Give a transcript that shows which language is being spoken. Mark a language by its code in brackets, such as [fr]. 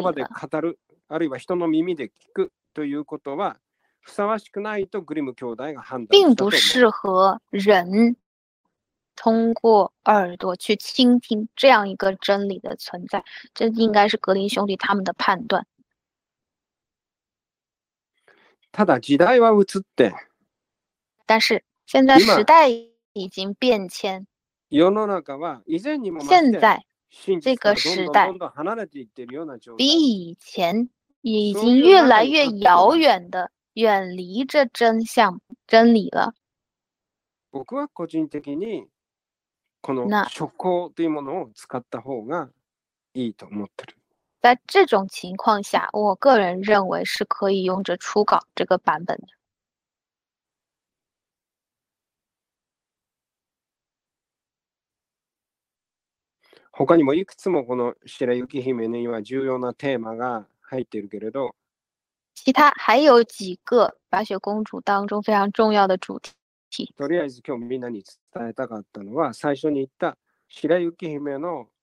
[ja] 言葉で語る、あるいは人の耳で聞くということはふさわしくないとグリム兄弟が判断した。 [zh] 并不适合人通过耳朵去倾听这样一个真理的存在，这应该是格林兄弟他们的判断。 [ja] ただ時代は移って、 [zh] 但是现在时代已经变迁。 [ja] 世の中は以前にも [zh] 现在这个时代 [ja] どんどん離れていってるような状態。 [zh] 比以前已经越来越遥远的远离这真相真理了。 [ja] 僕は個人的にこの初稿というものを使った方がいいと思ってる。 [zh] 在这种情况下，我个人认为是可以用着初稿这个版本的。 [ja] 他にもいくつもこの白雪姫には重要なテーマが入っているけれど、 [zh] 其他还有几个白雪公主当中非常重要的主题。 [ja] とりあえず今日みんなに伝えたかったのは、最初に言った白雪姫の。